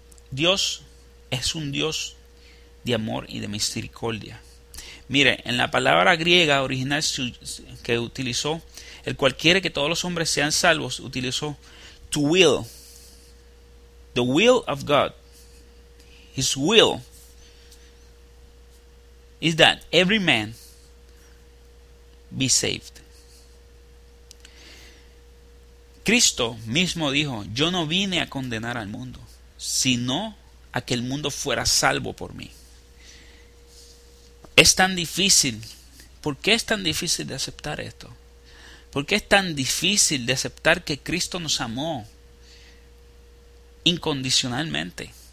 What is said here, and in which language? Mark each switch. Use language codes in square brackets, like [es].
[es] Dios es un Dios de amor y de misericordia. Mire, en la palabra griega original que utilizó, el cual quiere que todos los hombres sean salvos, utilizó to will. [en] The will of God. His will is that every man be saved. [es] Cristo mismo dijo, yo no vine a condenar al mundo, sino a que el mundo fuera salvo por mí. Es tan difícil. ¿Por qué es tan difícil de aceptar esto? ¿Por qué es tan difícil de aceptar que Cristo nos amó incondicionalmente?